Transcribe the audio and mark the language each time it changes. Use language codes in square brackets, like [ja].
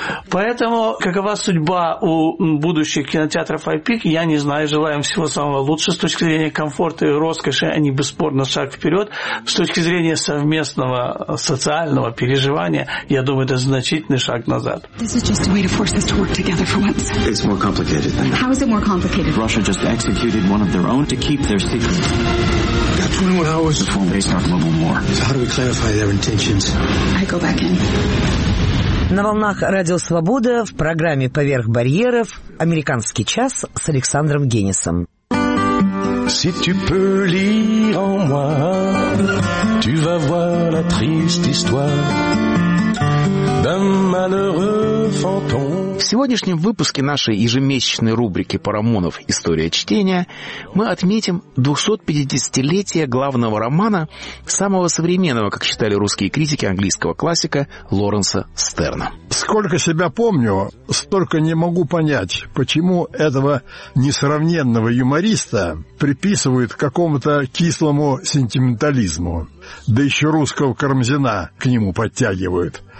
[ru] Поэтому какова судьба у будущих кинотеатров IPIC, я не знаю. Желаем всего самого лучшего с точки зрения комфорта и роскоши. Они, бесспорно, шаг вперед. С точки зрения совместного социального переживания, я думаю, это значительный шаг назад. [en] This is just a way to force us to work together for once. It's more complicated than that. How is it more complicated? Russia just executed one of their own to keep their secrets. Got 21 hours. The phone base not global war. So how do we clarify their intentions? I go back in. [ru] На волнах Радио Свобода в программе «Поверх барьеров» «Американский час» с Александром Генисом. [fr] Si tu peux lire en moi, tu vas voir la triste histoire d'un malheureux fantôme. [ru] В сегодняшнем выпуске нашей ежемесячной рубрики «Парамонов. История чтения» мы отметим 250-летие главного романа, самого современного, как считали русские критики, английского классика Лоренса Стерна. Сколько себя помню, столько не могу понять, почему этого несравненного юмориста приписывают какому-то кислому сентиментализму, да еще русского Карамзина к нему подтягивают.